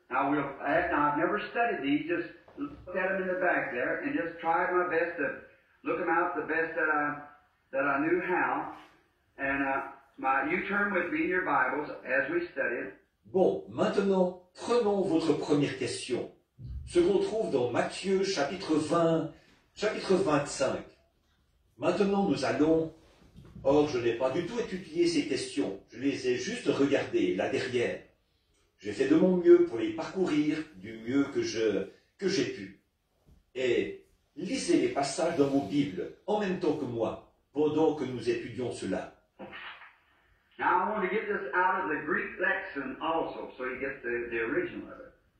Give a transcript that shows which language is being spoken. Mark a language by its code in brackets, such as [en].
[en] Now, I've never studied these, just look at them in the back there, and just tried my best to look them out the best that I knew how. And you turn with me in your Bibles as we study it. [fr] Bon, maintenant, prenons votre première question. Ce qu'on trouve dans Matthieu, chapitre 20, chapitre 25. Maintenant, nous allons... Or, je n'ai pas du tout étudié ces questions. Je les ai juste regardées, là derrière. J'ai fait de mon mieux pour les parcourir, du mieux que j'ai pu. Et lisez les passages dans vos Bibles, en même temps que moi, pendant que nous étudions cela. [en] Now, I want to get this out of the Greek lexicon also, so you get the original of it.